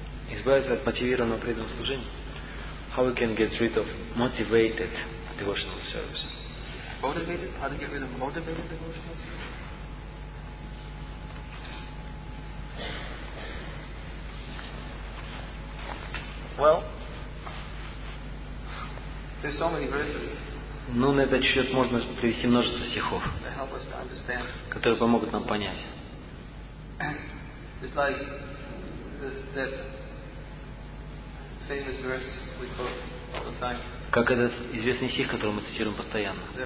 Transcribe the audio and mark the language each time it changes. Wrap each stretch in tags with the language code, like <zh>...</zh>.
<ru>избавиться от мотивированного преданного служения?</ru> <en>How we can get rid of motivated devotional service? Motivated? How to get rid of motivated devotional service? Well, there's so many verses.</en> <ru>Ну, на этот счет можно привести множество стихов, которые помогут нам понять.</ru> <en>It's like that famous verse we quote all the time.</en> <ru>Как этот известный стих, который мы цитируем постоянно.</ru>